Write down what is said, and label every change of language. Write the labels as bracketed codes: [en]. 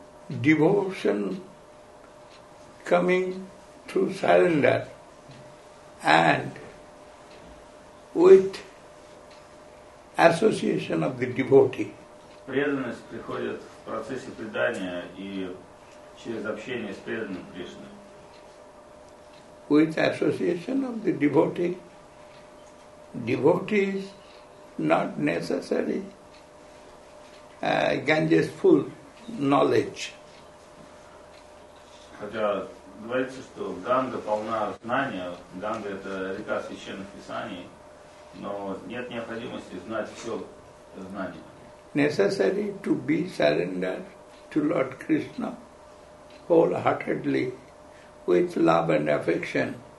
[en] Devotion coming through surrender and with association of the devotee. [ru] Преданность приходит в процессе предания и через общение с преданным Кришной. [en] With association of the devotee, devotee is not necessary Ganges full knowledge. [ru] Хотя говорится, что Ганга полна знания, Ганга — это река священных писаний, но нет необходимости знать все знания. [en] Necessary to be surrendered to Lord Krishna wholeheartedly with love and affection.